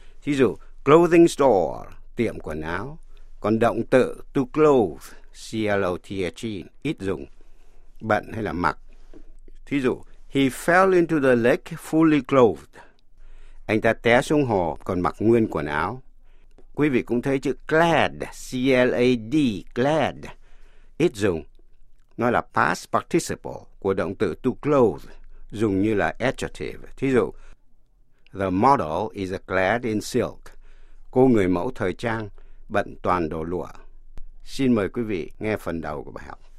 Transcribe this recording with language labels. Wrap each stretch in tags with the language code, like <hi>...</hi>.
<vi>Thí dụ, clothing store, tiệm quần áo. Còn động từ to clothe, C-L-O-T-H-E, ít dùng, bận hay là mặc. Thí dụ,</vi> <en>he fell into the lake fully clothed.</en> <vi>Anh ta té xuống hồ còn mặc nguyên quần áo. Quý vị cũng thấy chữ clad, C-L-A-D, clad, ít dùng. Nó là past participle của động từ to clothe, dùng như là adjective. Thí dụ,</vi> <en>the model is clad in silk.</en> <vi>Cô người mẫu thời trang bận toàn đồ lụa. Xin mời quý vị nghe phần đầu của bài học.</vi>